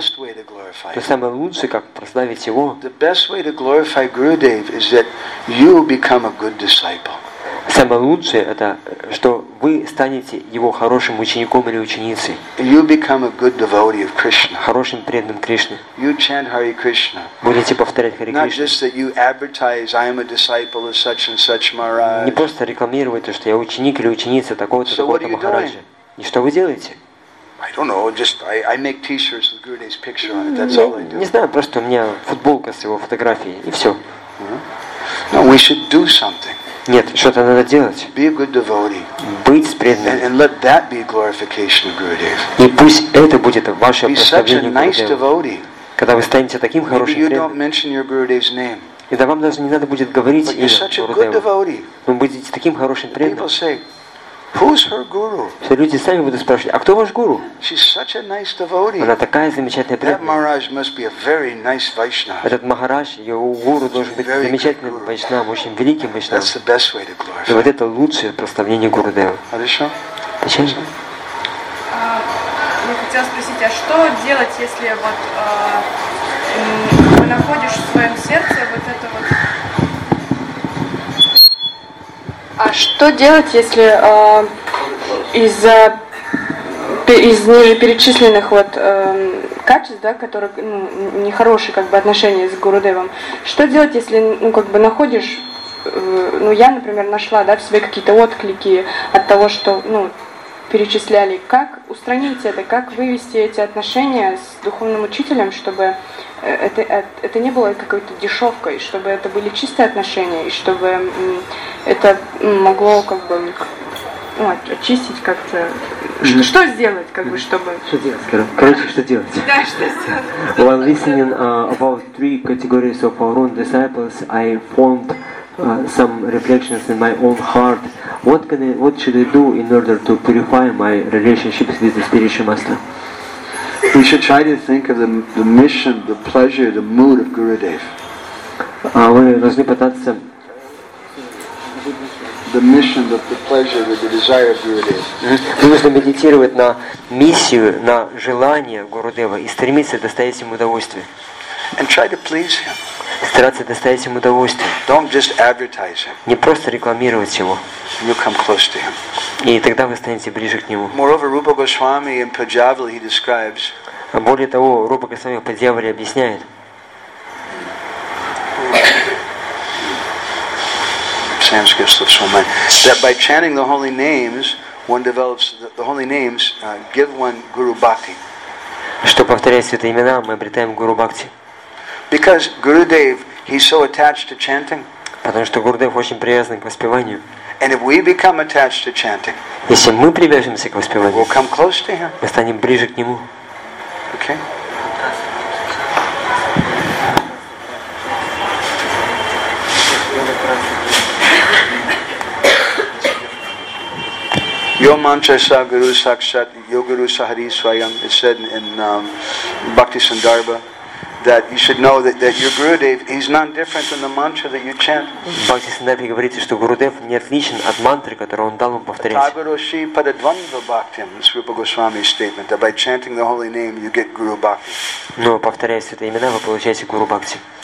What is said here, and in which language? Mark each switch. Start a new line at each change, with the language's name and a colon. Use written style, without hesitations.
Russian: Что самое лучшее, как прославить его?
English: The best way to glorify Gurudev is that you become a good disciple.
Russian: Самое лучшее это, что вы станете его хорошим учеником или ученицей.
English: You become a good devotee of Krishna.
Russian: Хорошим преданным Кришны.
English: You chant Hare Krishna.
Russian: Будете повторять Харе Кришну.
English: Not just that you advertise, I am a disciple of such and such Maharaj.
Russian: Не просто рекламируете, что я ученик или ученица такого-то, такого-то Махараджа. И что вы делаете?
English: I don't know. Just I make T-shirts with Gurudev's picture on it. That's all I do.
Russian: Не знаю, просто у меня футболка с его фотографией и все.
English: No, we should do something.
Russian: Нет, что-то надо делать.
English: Be a good devotee.
Russian: Быть преданным.
English: And let that be glorification of Gurudev.
Russian: И пусть это будет ваше прославление Гурудева.
English: Be such a nice devotee.
Russian: Когда вы станете таким хорошим преданным.
English: Maybe you don't mention your Gurudev's name.
Russian: И да, вам даже не надо будет говорить имя Гурудева.
English: But you're such a good devotee.
Russian: Вы будете таким хорошим преданным.
English: People say. Who's her guru?
Russian: Все люди сами будут спрашивать, а кто ваш гуру?
English: She's such a nice devotee.
Russian: Она такая замечательная преданная.
English: That Maharaj must be a very nice Vaishnava.
Russian: Этот Махарадж, его гуру должен быть замечательным Вайшнавом, очень великим Вайшнавом.
English: That's the best way to glorify.
Russian: И вот это лучшее прославление Гурудева. Хорошо. Почему? Я хотела спросить, а что делать, если вот находишь в своем сердце вот это вот. А что делать, если из нижеперечисленных вот качеств, да, которые ну, нехорошие как бы отношения с Гурудевом, что делать, если ну как бы находишь, ну я, например, нашла, да, в себе какие-то отклики от того, что ну перечисляли, как устранить это, как вывести эти отношения с духовным учителем, чтобы это не было какой-то дешевкой, чтобы это были чистые отношения, и чтобы это могло как бы ну, очистить как-то. Что сделать, как бы, чтобы. Что делать? Короче, что делать? Да, что сделать?
English: While listening about three categories of our own disciples, I formed some reflections in my own heart. What should I do in order to purify my relationships with the spiritual master? We should try to think of the mission, the pleasure, the mood of Gurudev.
Russian: Мы должны пытаться.
English: The mission, the pleasure, the desire of Gurudev.
Russian: Нужно медитировать на миссию, на желание Гурудева и стремиться доставить ему удовольствие.
English: And try to please him.
Russian: Стараться доставить ему удовольствие.
English: Don't just advertise him.
Russian: Не просто рекламировать его.
English: You come close to him.
Russian: И тогда вы станете ближе к нему.
English: Moreover, Rupa Goswami in Pajavali he describes.
Russian: Более того, Рупа Госвами в Пажавали объясняет.
English: Sanskrit slips so much. That by chanting the holy names, one develops the holy names give one guru bhakti.
Russian: Что повторяя святые имена, мы обретаем гуру бхакти.
English: Because Gurudev, he's so attached to chanting.
Russian: Потому что Гурудев очень привязан к воспеванию.
English: And if we become attached to chanting,
Russian: если мы привяжемся к воспеванию,
English: we'll come close to him.
Russian: Мы станем ближе к нему.
English: Okay.
Sanskrit: Yo mantra sa guru sakshat yo guru sahari swayam.
English: It said in Bhakti Sandarbha. That you should know that your Gurudev he's not different than the mantra that you chant.
Russian: Бхакти Сандарбхе говорится, что Гурудев не отличен от мантры, которую он дал вам повторять.
Sanskrit: Тагароши пададванва бхактим.
English: It's Rupa Goswami's statement that by chanting the holy name you get guru bhakti.
Russian: Но повторяя святые имена, вы получаете гуру бхакти.